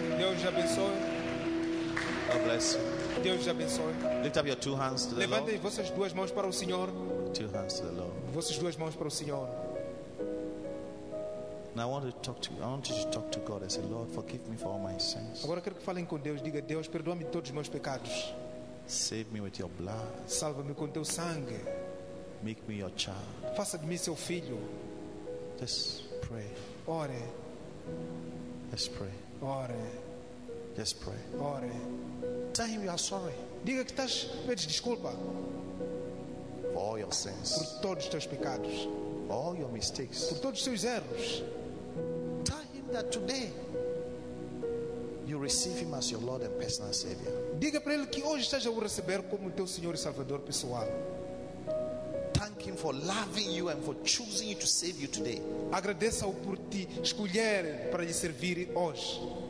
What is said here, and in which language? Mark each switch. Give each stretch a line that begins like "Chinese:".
Portuguese: Deus te abençoe.
English: God bless you.
Portuguese: Deus te abençoe.
English: Lift up your two hands to the
Portuguese: Levantem
English: Lord.
Portuguese: Levantem vossas duas mãos para o Senhor.
English: Two hands to the Lord.
Portuguese: Vossas duas mãos para o Senhor.
English: And I want to talk to you. I want you to talk to God and say, Lord, forgive me for all my sins.
Portuguese: Agora quero que falem com Deus. Diga, Deus, perdoa-me todos os meus pecados.
English: Save me with your blood.
Portuguese: Salva-me com teu sangue.
English: Make me your child.
Portuguese: Faça de mim seu filho.
English: Just pray.
Portuguese: Ore.
English: Just pray.
Portuguese: Ore.
English: Just pray.
Portuguese: Ore.
English: Tell him you are sorry.
Portuguese: Diga que estás pedindo desculpa.
English: For all your sins.
Portuguese: Por todos os teus pecados.
English: All your mistakes.
Portuguese: Por todos os seus erros.
English: Tell him that today you receive him as your Lord and personal Savior.
Portuguese: Diga para ele que hoje estás a o receber como teu Senhor e Salvador pessoal.
English: Thank him for loving you and for choosing to save you today.
Portuguese: Agradeça-o por te escolher para lhe servir hoje.